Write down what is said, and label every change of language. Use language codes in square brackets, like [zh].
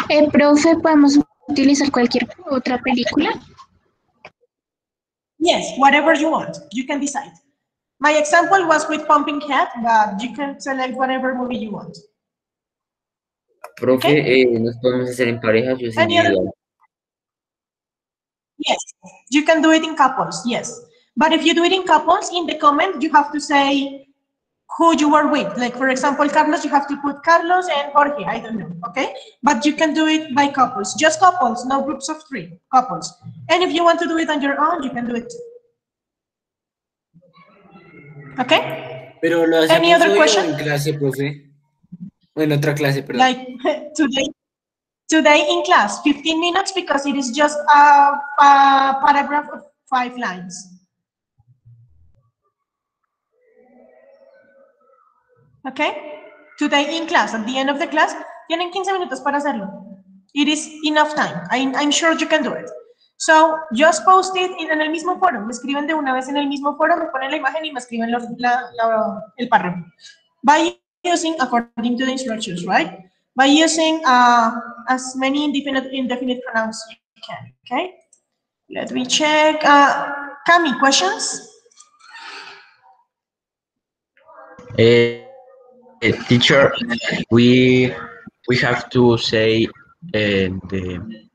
[es] Profe, podemos utilizar cualquier otra película. [en] Yes, whatever you want, you can decide. My example was with Pumping Head, but you can select whatever movie you want. Profe, okay? [es] Nos podemos hacer en parejas, yo sin duda. [en] Yes, you can do it in couples, yes. But if you do it in couples, in the comment, you have to say who you are with. Like, for example, Carlos, you have to put Carlos and Jorge, I don't know, okay? But you can do it by couples, just couples, no groups of three, couples. And if you want to do it on your own, you can do it. Okay? [es] Pero lo hace [en] any other question? [es] En clase, profe. O en otra clase, perdón. [en] Like, today in class, 15 minutes, because it is just a paragraph of five lines. Okay, today in class, at the end of the class, [es] tienen 15 minutos para hacerlo. [en] It is enough time. I'm sure you can do it. So just post it [es] en el mismo foro. Me escriben de una vez en el mismo foro, me ponen la imagen y me escriben el párrafo. [en] By using, according to the instructions, right? By using as many indefinite pronouns you can, okay? Let me check. Cami, questions? Teacher, we have to say the